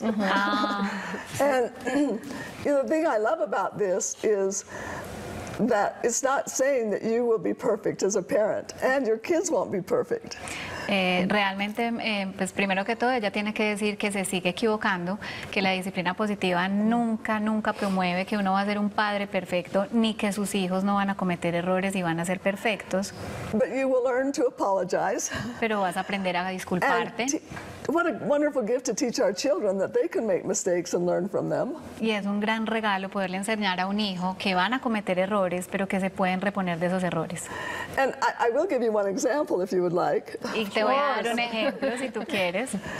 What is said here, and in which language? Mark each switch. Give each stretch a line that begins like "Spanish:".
English: And you know, the thing I love about this is that it's not saying that you will be perfect as a parent, and your kids won't be perfect.
Spanish: Realmente, pues primero que todo, ella tiene que decir que se sigue equivocando, que la disciplina positiva nunca, nunca promueve que uno va a ser un padre perfecto, ni que sus hijos no van a cometer errores y van a ser perfectos.
English: But you will learn to apologize.
Spanish: Pero vas a aprender a disculparte.
English: What a wonderful gift to teach our children that they can make mistakes and learn from them.
Spanish: Y es un gran regalo poderle enseñar a un hijo que van a cometer errores, pero que se pueden reponer de esos errores.
English: And I will give you one example if you would like.
Spanish: Y te voy a dar un ejemplo si tú quieres.